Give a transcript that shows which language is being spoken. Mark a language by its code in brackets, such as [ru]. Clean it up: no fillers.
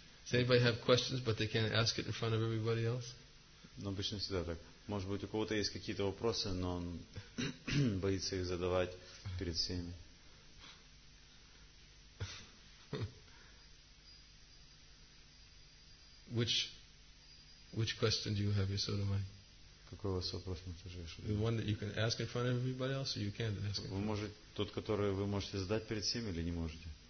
[en] Does anybody have questions, but they can't ask it in front of everybody else? [ru] Ну, обычно всегда так. Может быть, у кого-то есть какие-то вопросы, но он боится их задавать перед всеми. [en] Which question do you have, Yasoda Mai? [ru] Какой у вас вопрос, Матюшиш? [en] The one that you can ask in front of everybody else, or you can't ask? [ru] Вы можете тот, который вы можете задать перед всеми, или не можете?